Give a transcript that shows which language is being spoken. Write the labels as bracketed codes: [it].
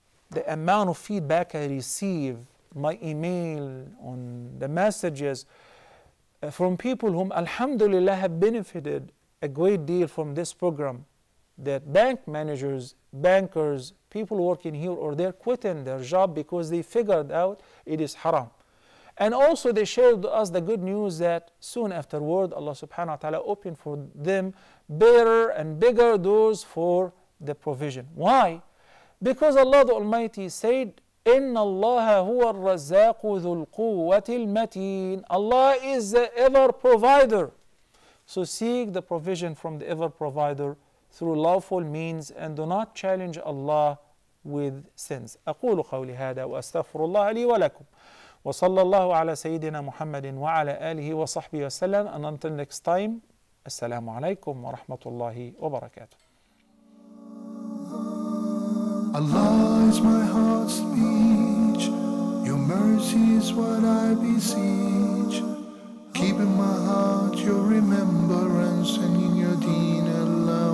[en] The amount of feedback I receive, my email, on the messages from people whom, alhamdulillah, have benefited a great deal from this program, that bank managers, bankers, people working here or there, quitting their job because they figured out it is haram. And also they shared with us the good news that soon afterward, Allah subhanahu wa ta'ala opened for them better and bigger doors for the provision. Why? Because Allah the Almighty said, [ar] إِنَّ اللَّهَ هُوَ الرَّزَّاقُ ذُو الْقُوَّةِ الْمَتِينَ. [en] Allah is the ever-provider. So seek the provision from the ever-provider through lawful means and do not challenge Allah with sins. [ar] أَقُولُ قَوْلِ هَذَا وَأَسْتَغْفِرُ اللَّهَ لِي وَلَكُمْ وصلى الله على سيدنا محمد وعلى آله وصحبه وسلم. [en] And until next time, [ar] السلام عليكم ورحمة الله وبركاته. [en] Allah is my heart's speech. Your mercy is what I beseech. Keep in my heart your remembrance and in your deen Allah.